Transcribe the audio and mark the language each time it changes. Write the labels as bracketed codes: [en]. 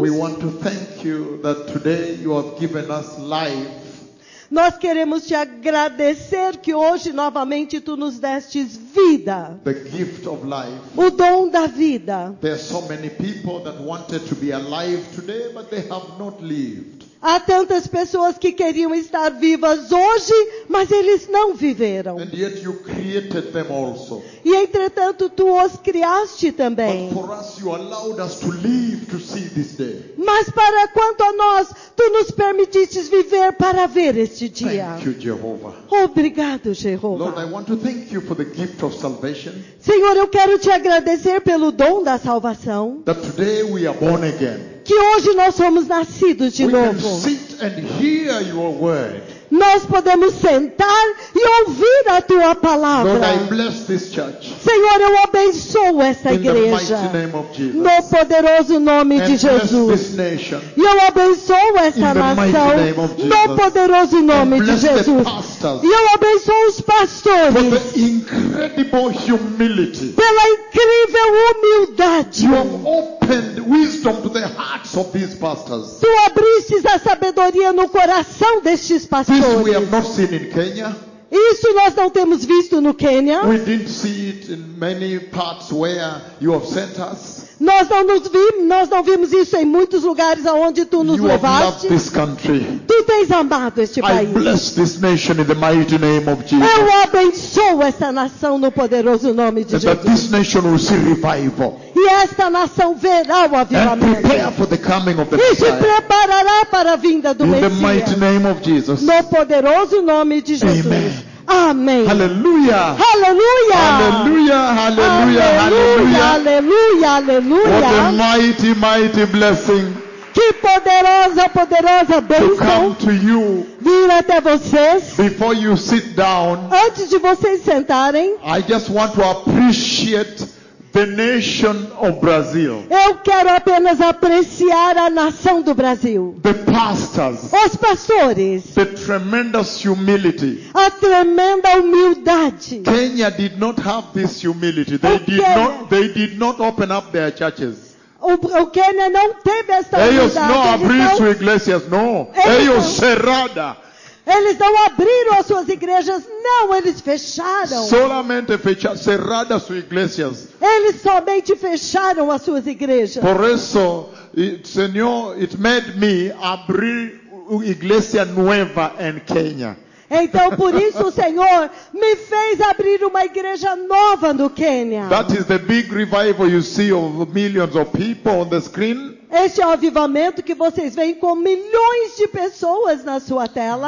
[en] We want to thank you that today you have given us life. [pt] Nós queremos te agradecer que hoje novamente tu nos destes vida. [en] The gift of life. [pt] O dom da vida. [en] There are so many people that wanted to be alive today, but they have not lived. [pt] Há tantas pessoas que queriam estar vivas hoje, mas eles não viveram. [en] And yet you created them also. [pt] E entretanto, tu os criaste também. [en] But for us, you allowed us to live to see this day. [pt] Mas para quanto a nós, tu nos permitiste viver para ver este dia. [en] Thank you, Jehovah. [pt] Obrigado, Jeová. [en] Lord, I want to thank you for the gift of salvation. [pt] Senhor, eu quero te agradecer pelo dom da salvação. [en] That today we are born again. [pt] Que hoje nós somos nascidos de novo. [en] We can sit and hear your word. [pt] Nós podemos sentar e ouvir a tua palavra. [en] Lord, I bless this church. [pt] Senhor, eu abençoo essa igreja. [en] In the mighty name of Jesus. [pt] No poderoso nome [en] and [pt] de Jesus. [en] Bless this nation. [pt] E eu abençoo essa [en] In the [pt] nação. [en] Mighty name of Jesus. [pt] No poderoso nome [en] and bless [pt] de Jesus. [en] The pastors. [pt] E eu abençoo os pastores. [en] For the incredible humility. [pt] Pela incrível humildade. [en] You have opened wisdom to the hearts of these pastors. [pt] Tu abriste a sabedoria no coração destes pastores. [en] This we have not seen in Kenya. [pt] Isso nós não temos visto no Quênia. [en] We didn't see it in many parts where you have sent us. [pt] Nós não vimos isso em muitos lugares aonde tu nos [en] you [pt] levaste. [en] Have loved this country. [pt] Tu tens amado este [en] I [pt] país. [en] I bless this nation in the mighty name of Jesus. [pt] Eu abençoo esta nação no poderoso nome de [en] that [pt] Jesus. [en] That this nation will see revival. [pt] E esta nação verá o avivamento. [en] And prepare for the coming of the Messiah. [pt] E se preparará para a vinda do [en] in [pt] Messias. [en] In the mighty name of Jesus. [pt] No poderoso nome de Jesus. [en] Amen. [pt] Amém. Aleluia. Aleluia. Aleluia. Aleluia. Aleluia. Aleluia. Aleluia. [en] What a mighty, mighty blessing. [pt] Que poderosa, poderosa bênção. [en] To come to you. [pt] Vir até vocês. [en] Before you sit down. [pt] Antes de vocês sentarem. [en] I just want to appreciate the nation of Brazil. [pt] Eu quero apenas apreciar a nação do Brasil. [en] The pastors. [pt] Os pastores. [en] The tremendous humility. [pt] A tremenda humildade. [en] Kenya did not have this humility. They did not open up their churches. [pt] O Quênia não teve esta humildade. Eles não abriram igrejas, não. Eles cerraram. Eles não abriram as suas igrejas, não, eles fecharam. [es] Solamente [pt] fecharam, cerraram suas igrejas. Eles somente fecharam as suas igrejas. Por isso, Senhor, [en] it made me [pt] abrir uma igreja nova em Quênia. Então, por isso, o Senhor me fez abrir uma igreja nova no Quênia. [en] That is the big revival you see of millions of people on the screen. [pt] Este é o avivamento que vocês veem com milhões de pessoas na sua tela.